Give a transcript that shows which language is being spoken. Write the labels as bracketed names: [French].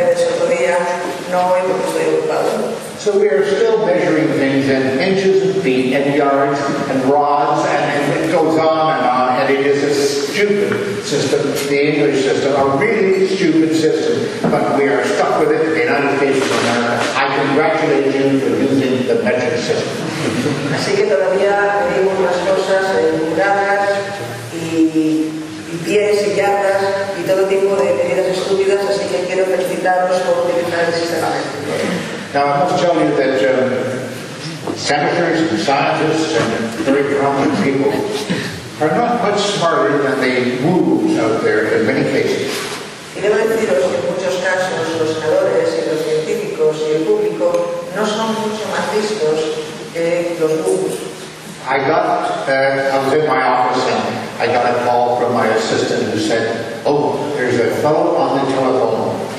[English] So we are still measuring things in inches and feet and yards and rods, and it goes on and on, and it is a stupid system, the English system, a really stupid system, but we are stuck with it in the United States of America. I congratulate you for using the metric system. [Spanish] Así que todavía pedimos las cosas en yardas y pies y yardas y todo tipo de medidas estúpidas, así que quiero felicitaros por utilizar el sistema métrico. [English] Now I must tell you that senators and scientists and very prominent people are not much smarter than the woos out there in many cases. [Spanish] Y debo deciros que en muchos casos los senadores y los científicos y el público no son mucho más listos. [English] I was in my office and I got a call from my assistant who said, oh, there's a fellow on the telephone.